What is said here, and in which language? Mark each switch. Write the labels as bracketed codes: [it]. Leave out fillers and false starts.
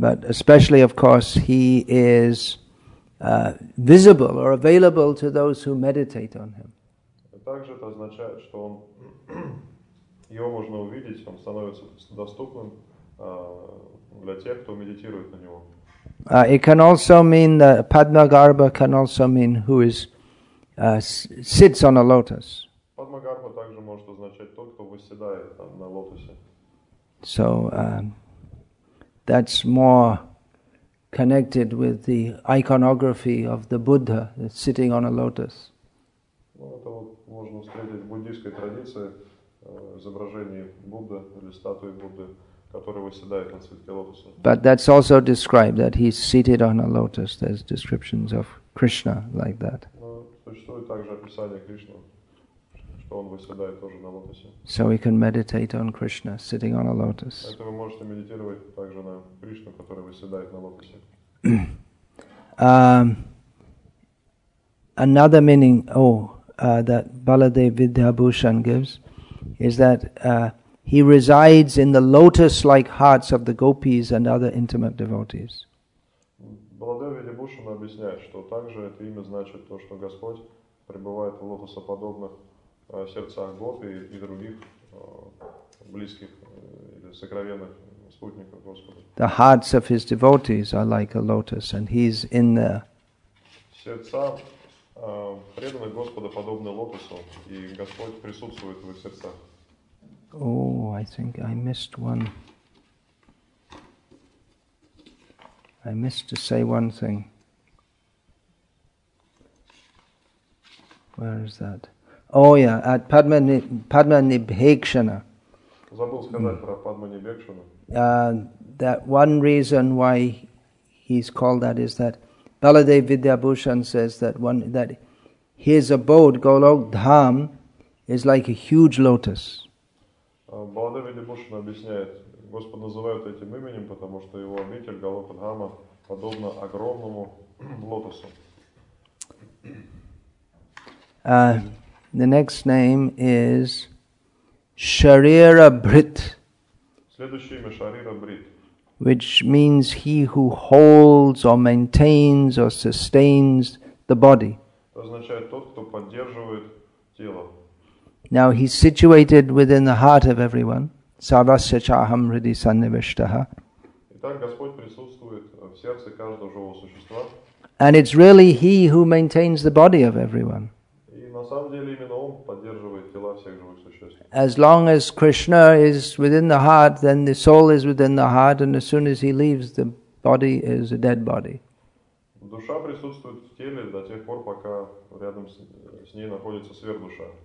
[en] But especially, of course, he is visible or available to those who meditate on him. [ru] Также это означает, что он его можно увидеть, он становится доступным для тех, кто медитирует на него. [en] It can also mean that Padmagarbha can also mean who is sits on a lotus. [ru] Padmagarbha также может означать тот, кто восседает на лотосе. [en] So that's more connected with the iconography of the Buddha sitting on a lotus. [ru] Ну, это вот можно встретить в буддийской традиции изображение Будды или статуи Будды, который восседает на цветке лотоса. [en] But that's also described that he's seated on a lotus. There's descriptions of Krishna like that. [ru] Существует также описание Кришны, что он восседает тоже на лотосе. [en] So we can meditate on Krishna sitting on a lotus. [ru] Вы можете медитировать также на Кришну, который восседает на лотосе. [en] Another meaning, that Baladev Vidyabhushan gives, is that he resides in the lotus-like hearts of the gopis and other intimate devotees. [ru] Baladev Vidyabhushan объясняет, что также это имя значит то, что Господь пребывает в лотосоподобных сердцах гопи и других близких или сокровенных спутников Господа. [en] The hearts of his devotees are like a lotus, and he's in there. [ru] Сердца преданный Господа подобный лотосу, и Господь присутствует в их сердцах. [en] Oh, I think I missed one. I missed to say one thing. Where is that? Oh yeah, at Padma Nibhekshana. [ru] Забыл сказать про Padma Nibhekshana. [en] That one reason why he's called that is that Baladev Vidyabhushan says that one that his abode, Golok Dham, is like a huge lotus. [ru] Baladev Vidyabhushan объясняет, Господь называет этим именем, потому что его обитель, Голока Дхама, подобна огромному лотосу. [en] The next name is Sharira Brit. [ru] Следующее имя Sharira Brit. [en] Which means he who holds or maintains or sustains the body. [ru] Это означает тот, кто поддерживает тело. [en] Now he's situated within the heart of everyone. [sa] Sarvasya chaham hridi sannivishtaha. [ru] Итак, Господь присутствует в сердце каждого живого существа. [en] And it's really he who maintains the body of everyone. [ru] И на самом деле именно он поддерживает тела всех живых существ. [en] As long as Krishna is within the heart, then the soul is within the heart, and as soon as he leaves, the body is a dead body. [ru] Душа присутствует в теле до тех пор, пока рядом с ней находится сверхдуша.